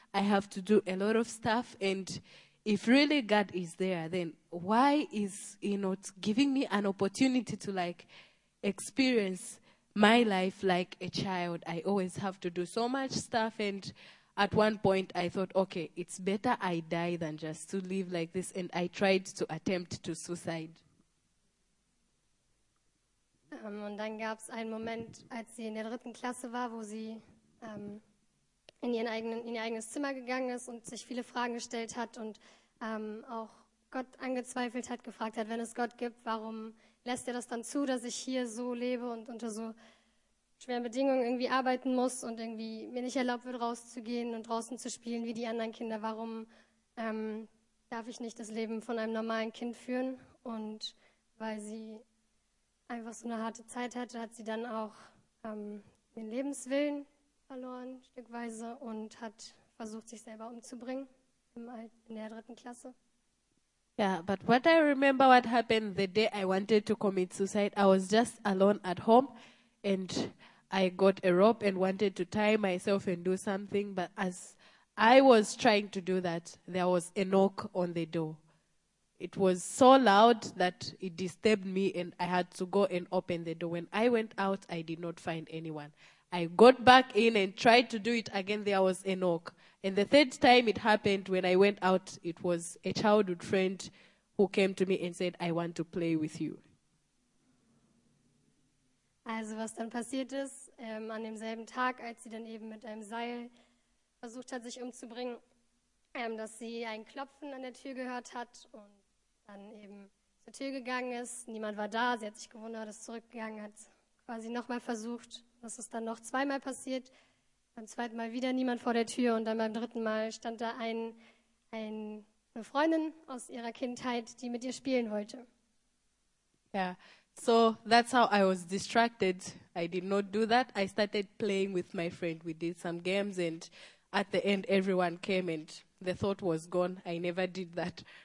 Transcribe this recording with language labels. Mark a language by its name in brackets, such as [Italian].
[English] I have to do a lot of stuff and if really God is there, then why is he not giving me an opportunity to like experience my life like a child? I always have to do so much stuff and at one point I thought, okay, it's better I die than just to live like this and I tried to attempt to suicide. [German] Und dann gab es einen Moment, als sie in der dritten Klasse war, wo sie in ihr eigenes Zimmer gegangen ist und sich viele Fragen gestellt hat und auch Gott angezweifelt hat, gefragt hat, wenn es Gott gibt, warum lässt er das dann zu, dass ich hier so lebe und unter so schweren Bedingungen irgendwie arbeiten muss und irgendwie mir nicht erlaubt wird, rauszugehen und draußen zu spielen wie die anderen Kinder. Warum darf ich nicht das Leben von einem normalen Kind führen? Und weil sie einfach so eine harte Zeit hatte, hat sie dann auch den Lebenswillen verloren, stückweise, und hat versucht, sich selber umzubringen in der dritten Klasse. [English] Yeah, but what I remember what happened the day I wanted to commit suicide, I was just alone at home and I got a rope and wanted to tie myself and do something, but as I was trying to do that, there was a knock on the door. It was so loud that it disturbed me and I had to go and open the door. When I went out, I did not find anyone. I got back in and tried to do it again. There was a knock. And the third time it happened, when I went out, it was a childhood friend who came to me and said, I want to play with you. [German] Also was dann passiert ist, an demselben Tag, als sie dann eben mit einem Seil versucht hat, sich umzubringen, dass sie ein Klopfen an der Tür gehört hat und dann eben zur Tür gegangen ist. Niemand war da, sie hat sich gewundert, ist zurückgegangen, hat quasi nochmal versucht. Das ist dann noch zweimal passiert. Beim zweiten Mal wieder niemand vor der Tür und dann beim dritten Mal stand da eine Freundin aus ihrer Kindheit, die mit ihr spielen wollte. [English] Yeah, so that's how I was distracted. I did not do that. I started playing with my friend. We did some games and at the end everyone came and the thought was gone. I never did that.